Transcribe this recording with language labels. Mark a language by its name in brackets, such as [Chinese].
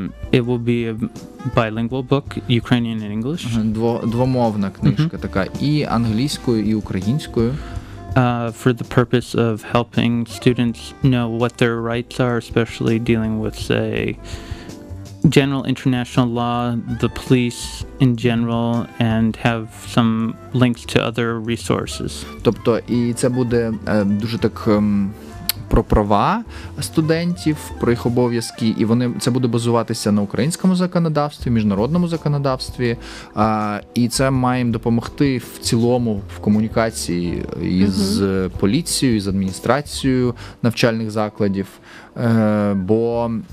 [English] It will be a bilingual book, Ukrainian and English. [Ukrainian] Двомовна книжка така, і англійською, і українською. [English] For the purpose of helping students know what their rights are, especially dealing with, say, general international law, the police in general, and have some links to other resources. [Ukrainian] Тобто, і це буде дуже так про права студентів, про їх обов'язки, і вони, це буде базуватися на українському законодавстві, міжнародному законодавстві, і це має їм допомогти в цілому в комунікації із поліцією, з адміністрацією навчальних закладів, бо